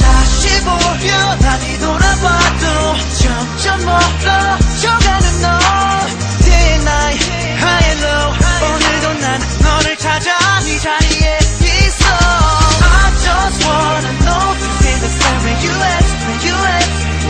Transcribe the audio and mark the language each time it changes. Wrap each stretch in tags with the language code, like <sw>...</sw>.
<ko>다시 보면 다 뒤돌아봐도 점점 멀어져가는 너.</ko> <en>Day and night, high and low.</en> <ko>오늘도 난 너를 찾아 네 자리에 있어.</ko> <en>I just wanna know to say that's where you at.</en>